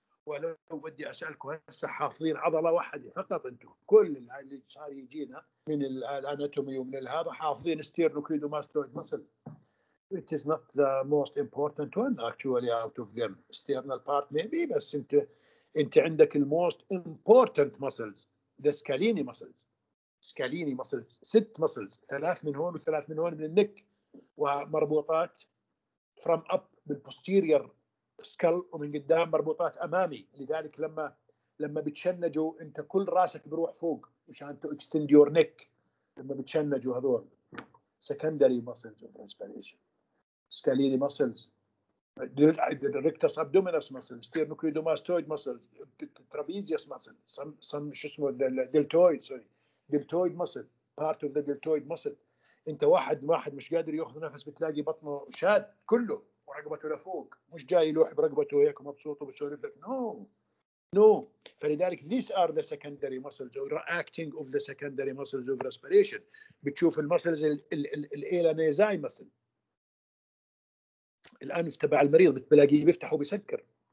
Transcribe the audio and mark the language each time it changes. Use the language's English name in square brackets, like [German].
[Arabic] ولو بدي أسألكم هسا حافظين عضلة واحدة فقط أنتم كل اللي صار يجينا من الأناتومي ومن هذا حافظين sternocleidomastoid muscle. [English] It is not the most important one actually out of them. External part maybe, [Arabic] بس انت عندك [English] the most important muscles, the scalene muscles. [Arabic] Scalene muscles, ست muscles, ثلاث من هون وثلاث من هون من النك ومربوطات [English] from up [Arabic] من posterior skull ومن قدام مربوطات أمامي. لذلك لما بتشنجوا انت كل راسك بروح فوق مشان [English] to extend your neck [Arabic] لما بتشنجوا. هذول [English] secondary muscles of respiration. Scalene muscles, rectus abdominis muscles, sternocleidomastoid muscles, trapezius muscles, some [Arabic] شو اسمه [English] deltoid muscle, part of the deltoid muscle. [Arabic] انت واحد مش قادر ياخذ نفس بتلاقي بطنه شاد كله ورقبته لفوق مش جاي يلوح برقبته هيك مبسوط وبسولف لك نو. [English] فلذلك these are the secondary muscles or acting of the secondary muscles of respiration. [Arabic] بتشوف المسلز الالانيزاي مثلا الآن تبع المريض بتلاقيه بيفتح وبيسكر.